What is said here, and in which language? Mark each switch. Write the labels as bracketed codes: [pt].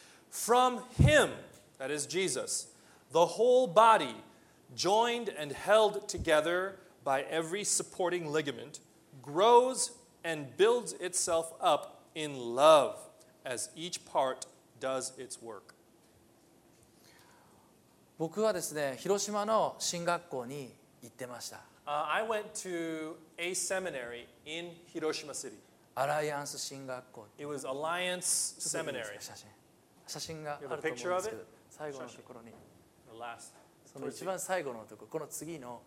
[en] From him, that is Jesus, the whole body, joined and held together by every supporting ligament,grows and builds itself up in love as each part does its work. [ja] 僕はですね、広島の神学校に行ってました。 [en] I went to a seminary in Hiroshima City. [ja] アライアンス神学校。 [en] It was Alliance Seminary. [ja] 写真があると思うんですけど、最後のところに。 [en] The last. [ja] その一番最後のところ、この次。